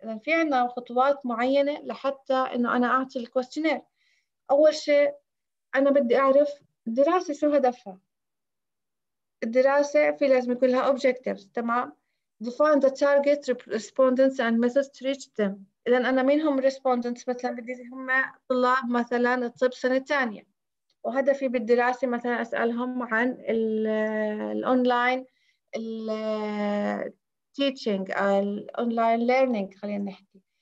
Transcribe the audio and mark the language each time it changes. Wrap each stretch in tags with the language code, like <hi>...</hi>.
<ar>إذا في عنا خطوات معينة لحتى إنه أنا أعطي الكويستيونير. أول شيء أنا بدي أعرف الدراسة شو هدفها. الدراسة في لازم يكون لها objectives تمام.</ar> <en>Define the target respondents and methods to reach them.</en> <ar>إذا أنا مين هم respondents مثلا بدي هم طلاب مثلا الطب سنة تانية. وهدفي بالدراسة مثلا أسألهم عن الأونلاين الـ teaching الـ online learning خلينا نحكي.</ar>